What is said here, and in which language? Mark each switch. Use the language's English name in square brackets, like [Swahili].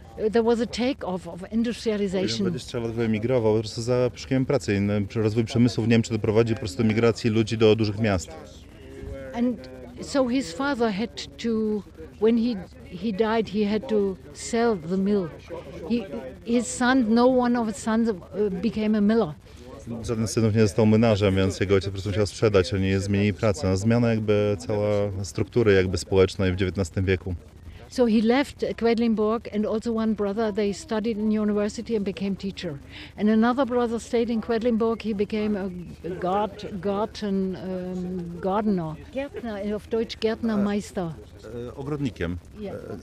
[English] There was a takeoff of industrialization. [Polish] 20 lat wyemigrował, po prostu za poszukiwaniem pracy. Rozwój przemysłu w Niemczech doprowadził po prostu do migracji ludzi do dużych miast. [English] And so his father had to, when he died, he had to sell the mill. No one of his sons became a miller. [Polish] Żaden z synów nie został młynarzem, więc jego ojciec po prostu musiał sprzedać, oni zmienili pracę. No, zmiana jakby cała struktury jakby społecznej w XIX wieku. [English] So he left Quedlinburg and also one brother, they studied in university and became teacher. And another brother stayed in Quedlinburg, he became a gardener. [German] Gärtner, of Deutsch Gärtnermeister. [Polish] Ogrodnikiem. [English] Yeah.